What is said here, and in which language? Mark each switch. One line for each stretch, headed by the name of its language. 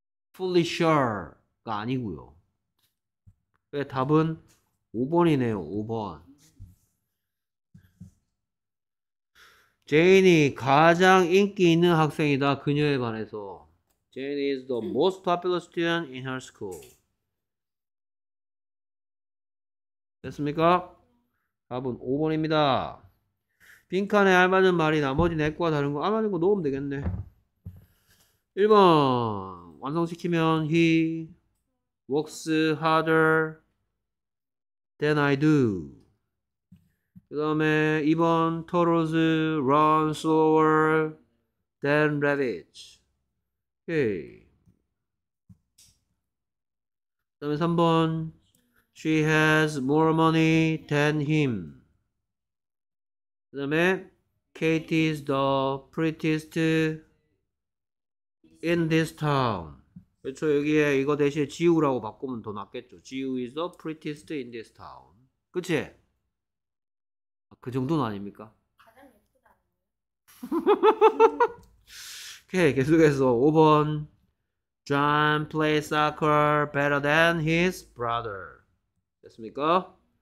Korean: Foolisher가 아니고요. 그 답은, 5번이네요, 5번. 제인이 가장 인기 있는 학생이다, 그녀에 반해서.
English: Jane is the most popular student in her school.
Korean: 됐습니까? 답은 5번입니다. 빈칸에 알맞은 말이 나머지 4과 다른 거, 알맞은 거 넣으면 되겠네. 1번. 완성시키면
English: he works harder than I do.
Korean: 그 다음에 2번
English: turtles run slower than rabbits.
Korean: 오케이. 다음에 3번.
English: She has more money than him.
Korean: 그다음에
English: Kate is the prettiest in this town.
Korean: 그렇죠. 여기에 이거 대신에 지우라고 바꾸면 더 낫겠죠.
English: 지우 is the prettiest in this town.
Korean: 그치? 그 정도는 아닙니까? 오케이, 계속해서 5번.
English: John plays soccer better than his brother.
Korean: 됐습니까?